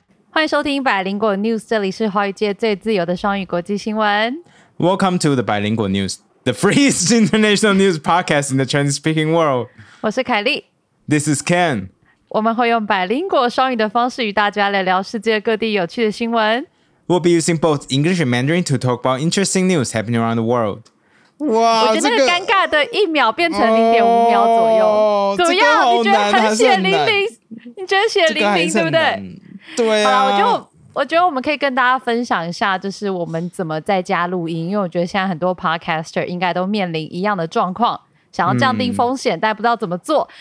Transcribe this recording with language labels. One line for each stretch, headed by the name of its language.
Chinese: 欢迎收听百灵果 News， 这里是华语界最自由的双语国际新闻。
English: Welcome to the 百灵果 News， the freest international news podcast in the Chinese speaking world。
Chinese: 我是凯莉
English: ，This is Ken。
Chinese: 我们会用百灵果双语的方式与大家来聊世界各地有趣的新闻。
English: We'll be using both English and Mandarin to talk about interesting news happening around the world。
Chinese: 哇，我觉得那个尴尬的一秒变成0.5秒左右，这个、怎么样、这个？你觉得很血淋淋？你觉得血淋淋、这个、对不对？对啊，我觉得我们可以跟大家分享一下，就是我们怎么在家录音，因为我觉得现在很多 podcaster 应该都面临一样的状况，想要降低风险、但不知道怎么做。